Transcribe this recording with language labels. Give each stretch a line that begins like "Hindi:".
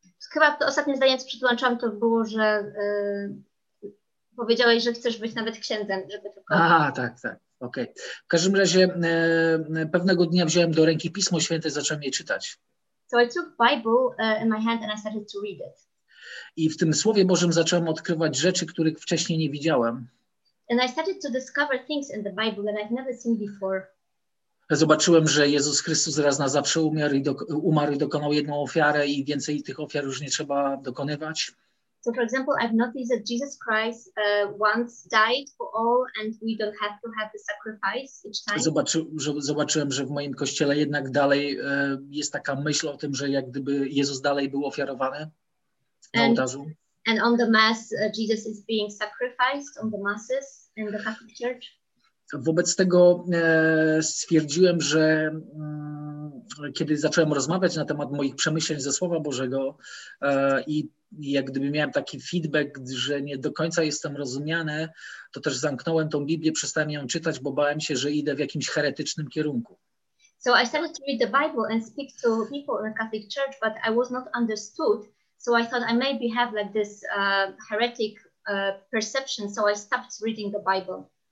Polish: Chyba to ostatnie zdanie, co przytłumaczyłam, to było, że powiedziałeś, że chcesz być nawet księdzem, żeby tylko... A, tak, tak, okej. Okay. W każdym razie pewnego dnia wziąłem do ręki Pismo Święte i zacząłem je czytać.
English: So I took Bible in my hand and I started to read it.
Polish: I w tym Słowie Bożym zacząłem odkrywać rzeczy, których wcześniej nie widziałem.
English: And I started to discover things in the Bible that I've never seen before.
Polish: Zobaczyłem, że Jezus Chrystus raz na zawsze umarł i dokonał jedną ofiarę i więcej tych ofiar już nie trzeba dokonywać.
English: So for example, I've noticed that Jesus Christ once died for all and we don't have to have the sacrifice each time.
Polish: Zobaczyłem, że w moim kościele jednak dalej jest taka myśl o tym, że jak gdyby Jezus dalej był ofiarowany na ołtarzu.
English: And on the mass Jesus is being sacrificed on the masses in the Catholic Church.
Polish: Wobec tego stwierdziłem, że kiedy zacząłem rozmawiać na temat moich przemyśleń ze Słowa Bożego i jak gdyby miałem taki feedback, że nie do końca jestem rozumiany, to też zamknąłem tą Biblię, przestałem ją czytać, bo bałem się, że idę w jakimś heretycznym kierunku.
English: So I started to read the Bible and speak to people in the Catholic Church, but I was not understood, so I thought I maybe have like this heretic perception, so I stopped reading the Bible.